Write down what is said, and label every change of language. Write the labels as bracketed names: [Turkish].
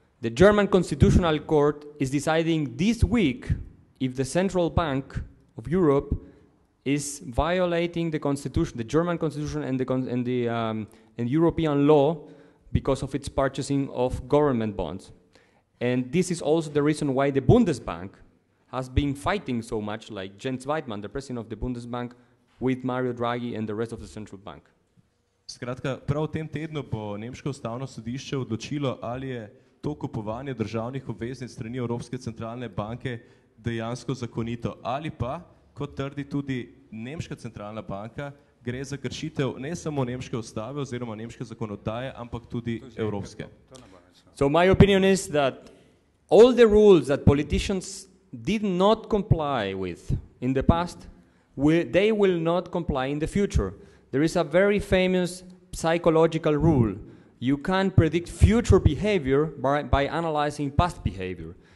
[English] The German Constitutional Court is deciding this week if the Central Bank of Europe is violating the constitution, the German constitution and European law because of its purchasing of government bonds. And this is also the reason why the Bundesbank has been fighting so much, like Jens Weidmann, the president of the Bundesbank, with Mario Draghi and the rest of the central bank. [Slovenian] Skratka, prav v tem tednu bo Nemško ustavno sodišče odločilo, ali je to kupovanje državnih obveznic strani Evropske centralne banke dejansko zakonito, ali pa, kot trdi tudi Nemška centralna banka, gre za kršitev ne samo Nemške ustave oziroma Nemške zakonodaje, ampak tudi Evropske. [English] So my opinion is that all the rules that politicians did not comply with in the past, they will not comply in the future. There is a very famous psychological rule. You can't predict future behavior by analyzing past behavior.